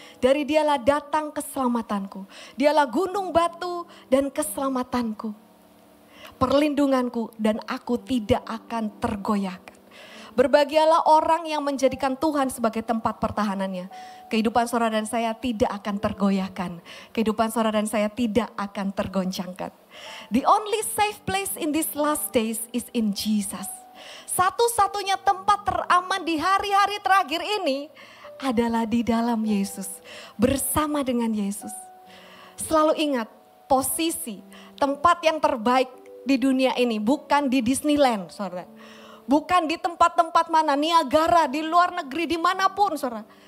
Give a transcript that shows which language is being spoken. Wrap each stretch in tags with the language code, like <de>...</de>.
<id>Dari dialah datang keselamatanku. Dialah gunung batu dan keselamatanku. Perlindunganku dan aku tidak akan tergoyahkan. Berbahagialah orang yang menjadikan Tuhan sebagai tempat pertahanannya. Kehidupan saudara dan saya tidak akan tergoyahkan. Kehidupan saudara dan saya tidak akan tergoncangkan.</id> <en>The only safe place in these last days is in Jesus.</en> <id>Satu-satunya tempat teraman di hari-hari terakhir ini adalah di dalam Yesus. Bersama dengan Yesus. Selalu ingat posisi tempat yang terbaik di dunia ini bukan di Disneyland, saudara. Bukan di tempat-tempat mana, Niagara, di luar negeri, dimanapun, saudara.</id>